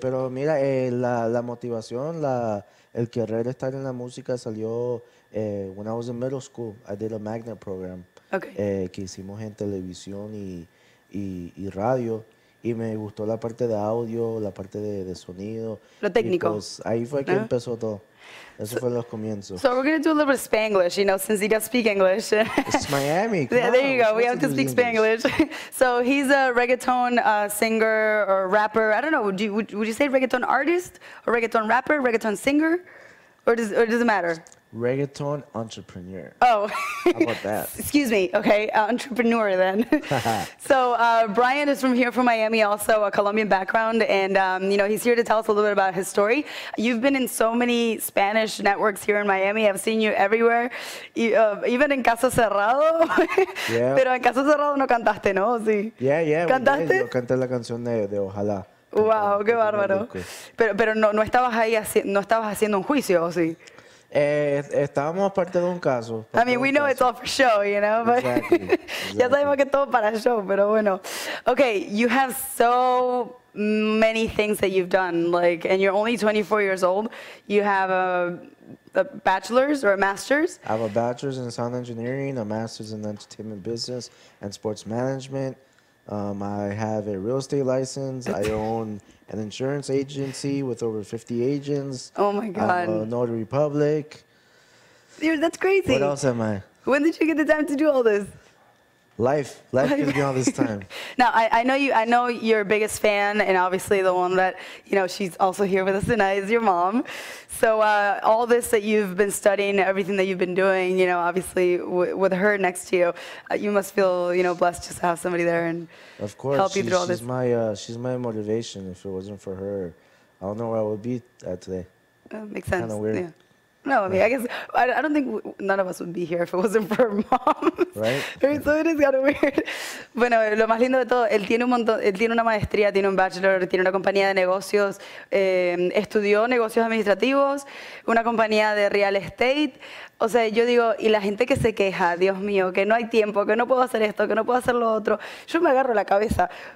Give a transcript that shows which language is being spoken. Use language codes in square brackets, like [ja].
[es] Pero mira, la motivación, el querer estar en la música salió [en] when I was in middle school. I did a magnet program. Okay. [es] Que hicimos en televisión y radio. Y me gustó la parte de audio, la parte de sonido. Lo técnico. Pues, ahí fue que empezó todo. Eso fue los comienzos. [en] So we're going to do a little bit of Spanglish, you know, since he does speak English. It's Miami. Yeah, there you go. We have to speak Spanglish. So he's a reggaeton singer or rapper. I don't know. Would you say reggaeton artist or reggaeton rapper, reggaeton singer? Or does it matter? Reggaeton entrepreneur. Oh. How about that? Excuse me. Okay. Entrepreneur then. So Bryant is from here, from Miami, also a Colombian background. And, you know, he's here to tell us a little bit about his story. You've been in so many Spanish networks here in Miami. I've seen you everywhere. Even in Casa Cerrado. Yeah. [es] Pero en Casa Cerrado no cantaste, ¿no? Sí. [en] Yeah, yeah. [es] ¿Cantaste? Yo canté la canción de Ojalá. Wow, qué bárbaro. Pero no estabas ahí, no estabas haciendo un juicio, ¿o sí? Estábamos parte de un caso. [en] I mean, we know it's all for show, you know. Exactly. [es] Ya sabemos que todo para show, pero bueno. [en] Okay, you have so many things that you've done, like, and you're only 24 years old. You have a bachelor's or a master's? I have a bachelor's in sound engineering, a master's in entertainment business and sports management. I have a real estate license. I own an insurance agency with over 50 agents. Oh my God. I'm a notary public. Dude, that's crazy. What else am I? When did you get the time to do all this? Life gives me all this time. Now, I know your biggest fan, and obviously the one that, you know, she's also here with us tonight is your mom. So all this that you've been studying, everything that you've been doing, you know, obviously with her next to you, you must feel, you know, blessed just to have somebody there and of course, help you through all this. She's my motivation. If it wasn't for her, I don't know where I would be today. Makes sense. Kind of weird. Yeah. No, I mean, right. I guess, I don't think none of us would be here if it wasn't for mom. Right. So it is kind of weird. [es] Bueno, lo más lindo de todo, él tiene una maestría, tiene un bachelor, tiene una compañía de negocios, estudió negocios administrativos, una compañía de real estate. O sea, yo digo, y la gente que se queja, Dios mío, que no hay tiempo, que no puedo hacer esto, que no puedo hacer lo otro, yo me agarro la cabeza.